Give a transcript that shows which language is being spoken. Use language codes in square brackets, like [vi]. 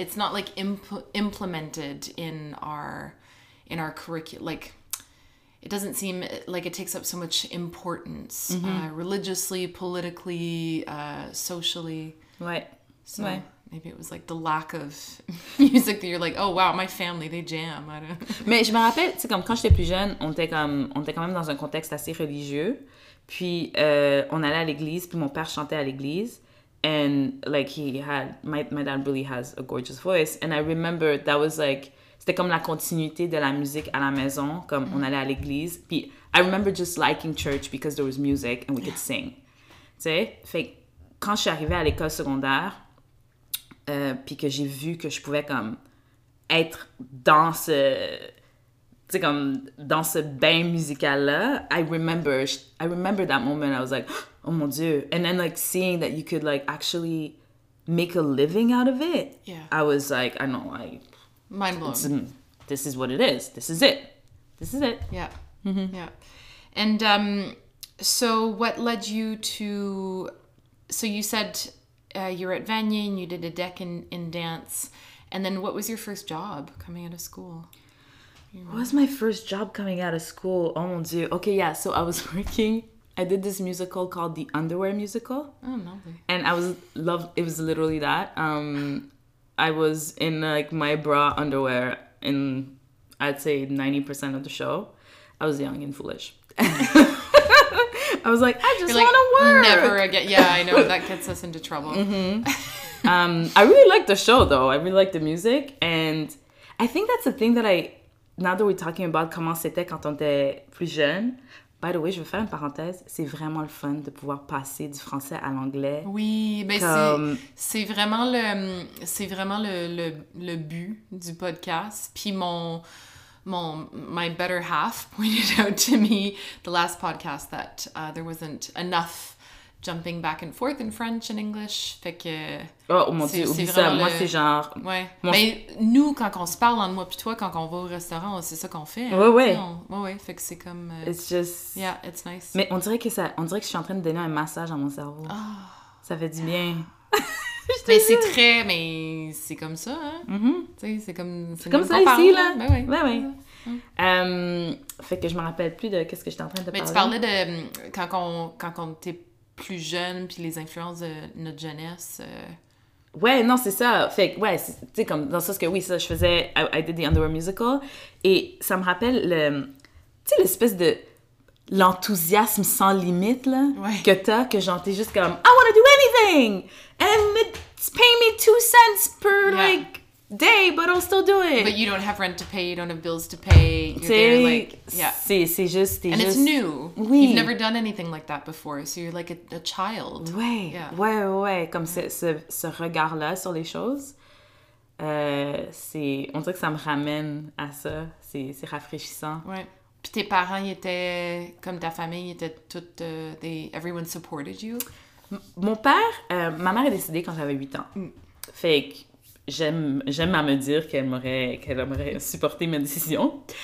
[en] It's not like implemented in our curriculum. Like, it doesn't seem like it takes up so much importance, mm-hmm. Religiously, politically, socially. [fr] Ouais. [en] So ouais. Maybe it was like the lack of music that you're like, oh wow, my family, they jam. I don't know. [fr] Mais je me rappelle, tu sais, comme quand j'étais plus jeune, on était quand même dans un contexte assez religieux. Puis on allait à l'église, puis mon père chantait à l'église. [en] And like my dad really has a gorgeous voice. And I remember that was like, [fr] c'était comme la continuité de la musique à la maison, comme mm-hmm. on allait à l'église. [en] Puis I remember just liking church because there was music and we could sing. [fr] Tu sais, fait que. Quand je suis arrivée à l'école secondaire, puis que j'ai vu que je pouvais comme être dans ce, tu sais comme dans ce bain musical là, [en] I remember that moment. I was like, [fr] oh mon Dieu. [en] And then like seeing that you could like actually make a living out of it, yeah. I was like, I know, like mind blown. This is what it is. This is it. This is it. Yeah. Mm-hmm. Yeah. And so what led you to So you said you're at Vanier and you did a deck in dance. And then what was your first job coming out of school? What was my first job coming out of school? [fr] Oh, mon Dieu. [en] Okay, yeah. So I was working. I did this musical called The Underwear Musical. Oh, lovely. And I was it was literally that. I was in, like, my bra underwear in, I'd say, 90% of the show. I was young and foolish. I was like, I just want to work. Never again. Yeah, I know. That gets us into trouble. Mm-hmm. I really liked the show, though. I really liked the music. And I think that's the thing that I... Now that we're talking about [fr] comment c'était quand on était plus jeune. [en] By the way, [fr] je vais faire une parenthèse. C'est vraiment le fun de pouvoir passer du français à l'anglais. Oui, mais comme... c'est vraiment le but du podcast. [en] Puis my better half pointed out to me the last podcast that there wasn't enough jumping back and forth in French and English. [fr] Fait que... Oh, mon Dieu, oublie ça. Moi, c'est genre... Ouais. Mais nous, quand on se parle en moi puis toi, quand on va au restaurant, c'est ça qu'on fait. Ouais, ouais. Ouais, ouais. Fait que c'est comme... [en] It's just... Yeah, it's nice. [fr] Mais on dirait que je suis en train de donner un massage à mon cerveau. Oh. Ça fait du bien. Mais c'est très, mais c'est comme ça, hein? Mm-hmm. Tu sais, c'est comme... C'est comme ça ici, parle, là. Ben oui. Ben oui. Fait que je me rappelle plus de qu'est-ce que j'étais en train de parler. Mais tu parlais de quand on était plus jeune, puis les influences de notre jeunesse. Ouais, non, c'est ça. Fait que, ouais, tu sais, comme dans ce que, oui, ça, je faisais... [en] I did the Underwear Musical. [fr] Et ça me rappelle le... Tu sais, l'espèce de... L'enthousiasme sans limite, là, ouais. Que t'as, que genre, t'es juste comme, [en] I want to do anything! And it's pay me 2 cents per, yeah. like, day, but I'll still do it. But you don't have rent to pay, you don't have bills to pay. You're there, like, yeah. [fr] C'est juste, t'es and juste... [en] And it's new. [fr] Oui. [en] You've never done anything like that before, so you're like a child. [fr] Ouais. [en] Yeah. [fr] Ouais, ouais, ouais. Comme ouais. Ce regard-là sur les choses, c'est... On dirait que ça me ramène à ça. c'est rafraîchissant. Ouais. Puis tes parents, ils étaient, comme ta famille, ils étaient toutes, [en] everyone supported you? [fr] Ma mère est décédée quand j'avais 8 ans. Fait que j'aime à me dire qu'elle aurait supporté ma décision.